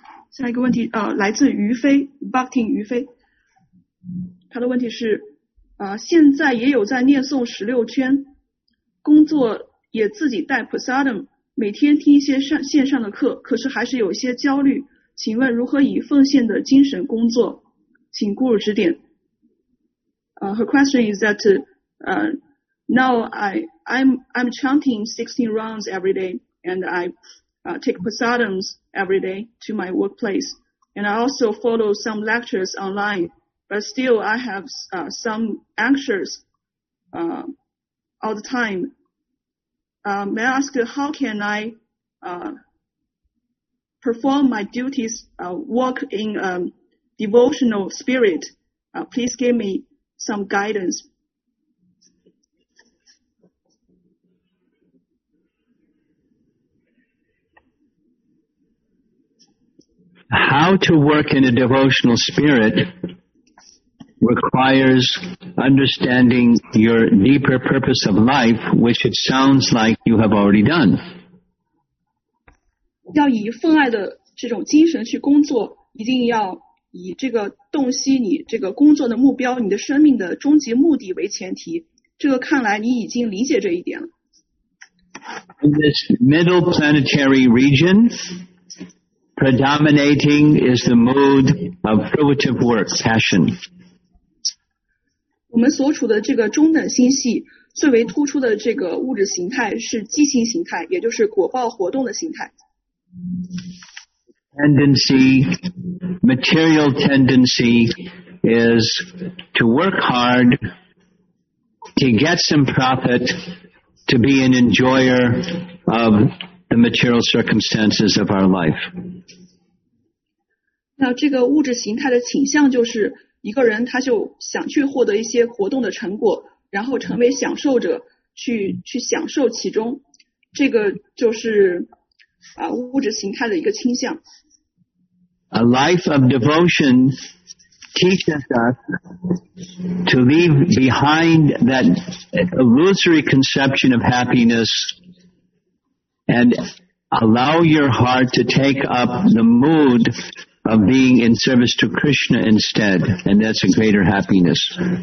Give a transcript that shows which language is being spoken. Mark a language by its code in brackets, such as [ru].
[zh] 下一个问题来自于飞 Bhaktin 于飞，他的问题是现在也有在念诵十六圈，工作也自己带 prasadam， 每天听一些线上的课，可是还是有些焦虑，请问如何以奉献的精神工作？请顾主指点。 [en] Her question is that now I'm chanting 16 rounds every day, and I take prasadams every day to my workplace, and I also follow some lectures online, but still I have some anxious all the time. May I ask how can I perform my duties, work in a devotional spirit? Please give me some guidance. How to work in a devotional spirit requires understanding your deeper purpose of life, which it sounds like you have already done. [zh] 要以奉爱的这种精神去工作，一定要以这个洞悉你这个工作的目标，你的生命的终极目的为前提。这个看来你已经理解这一点了。 [en] In this middle planetary region, predominating is the mode of fruitive work, passion. [zh] 我们所处的这个中等星系最为突出的这个物质形态是激情形态，也就是果报活动的形态。 [en] Tendency, material tendency is to work hard, to get some profit, to be an enjoyer of the material circumstances of our life. [zh] 那这个物质形态的倾向就是一个人他就想去获得一些活动的成果，然后成为享受者，去享受其中。这个就是啊物质形态的一个倾向。 [en] A life of devotion teaches us to leave behind that illusory conception of happiness and allow your heart to take up the mood of being in service to Krishna instead, and that's a greater happiness.